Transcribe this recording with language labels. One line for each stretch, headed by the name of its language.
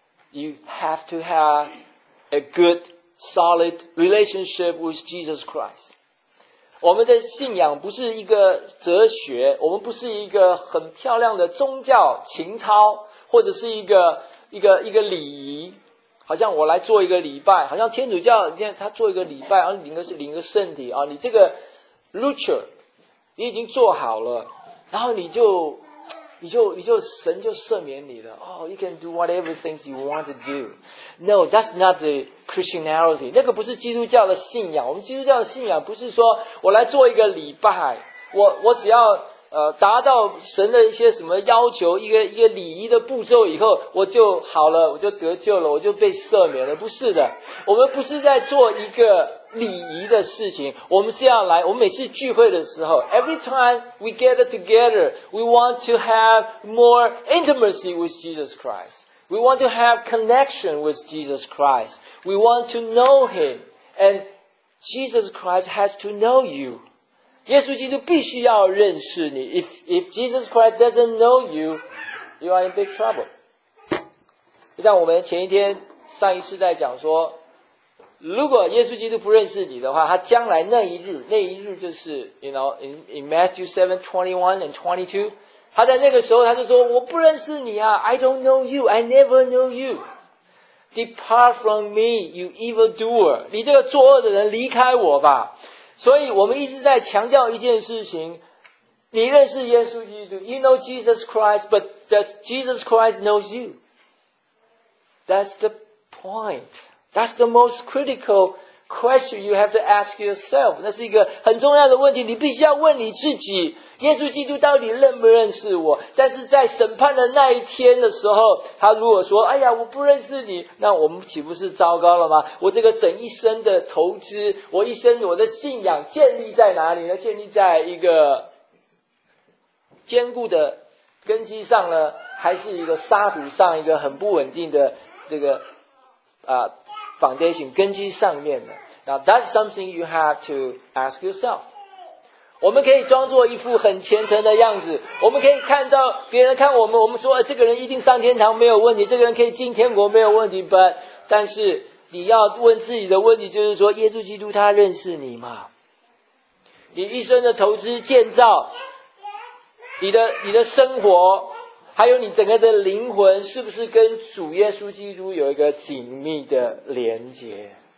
English: You have to have a good, solid relationship with Jesus Christ.
Chinese: 我们的信仰不是一个哲学，我们不是一个很漂亮的宗教情操，或者是一个礼仪。好像我来做一个礼拜，好像天主教现在他做一个礼拜，然后领个圣体啊，你这个 ritual 你已经做好了，然后你就神就赦免你了。
English: Oh, you can do whatever things you want to do. No, that's not the Christianity.
Chinese: 那个不是基督教的信仰。我们基督教的信仰不是说我来做一个礼拜，我只要达到神的一些什么要求，一个礼仪的步骤以后，我就好了，我就得救了，我就被赦免了。不是的，我们不是在做一个礼仪的事情，我们是要来，我们每次聚会的时候 ，
English: every time we gather together, we want to have more intimacy with Jesus Christ. We want to have connection with Jesus Christ. We want to know Him, and Jesus Christ has to know you.
Chinese: 耶稣基督必须要认识你。
English: If Jesus Christ doesn't know you, you are in big trouble.
Chinese: 就像我们前一天上一次在讲说，如果耶稣基督不认识你的话，他将来那一日就是
English: you know in Matthew 7:21 and 22,
Chinese: 他在那个时候他就说我不认识你啊 ，
English: I don't know you, I never know you. Depart from me, you evil doer.
Chinese: 你这个作恶的人，离开我吧。所以我们一直在强调一件事情，你认识耶稣基督，
English: You know Jesus Christ, but does Jesus Christ knows you? That's the point. That's the most critical question you have to ask yourself.
Chinese: 那是一个很重要的问题，你必须要问你自己，耶稣基督到底认不认识我？但是在审判的那一天的时候，他如果说，哎呀，我不认识你，那我们岂不是糟糕了吗？我这个整一生的投资，我一生我的信仰建立在哪里呢？建立在一个坚固的根基上呢？还是一个沙土上，一个很不稳定的这个foundation 根基上面的。
English: Now that's something you have to ask yourself.
Chinese: 我们可以装作一副很虔诚的样子，我们可以看到别人看我们，我们说这个人一定上天堂没有问题，这个人可以进天国没有问题。但是你要问自己的问题，就是说耶稣基督他认识你吗？你一生的投资建造，你的生活，还有你整个的灵魂，是不是跟主耶稣基督有一个紧密的连结？